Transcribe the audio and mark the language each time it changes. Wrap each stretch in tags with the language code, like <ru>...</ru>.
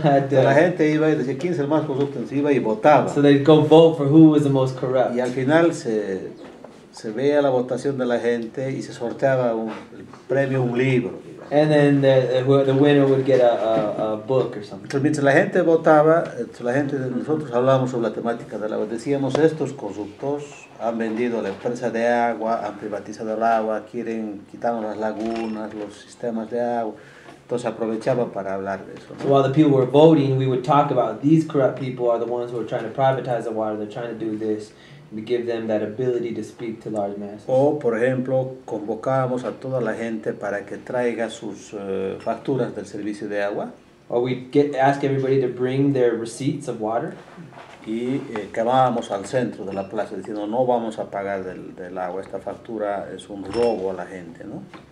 <es>La gente iba y decía quién es el más corrupto, se iba y votaba.</es> <en>So they'd go vote for who was the most corrupt.</en> <es>Y al final se veía la votación de la gente y se sorteaba el premio, un libro.</es> <en>And then the winner would get a book or something.</en> <es>Entonces, mientras la gente votaba, la gente, nosotros hablábamos sobre la temática del agua. Decíamos, estos corruptos han vendido la empresa de agua, han privatizado el agua, quieren quitarnos las lagunas, los sistemas de agua. Entonces aprovechaba para hablar de eso, ¿no?</es> <en>So while the people were voting, we would talk about these corrupt people are the ones who are trying to privatize the water, they're trying to do this, and we give them that ability to speak to large masses.</en> <es>O, por ejemplo, convocábamos a toda la gente para que traiga sus facturas del servicio de agua.</es> <en>Or we'd ask everybody to bring their receipts of water.</en> <es>Y quemábamos al centro de la plaza diciendo, no vamos a pagar del agua, esta factura es un robo a la gente, ¿no?</es>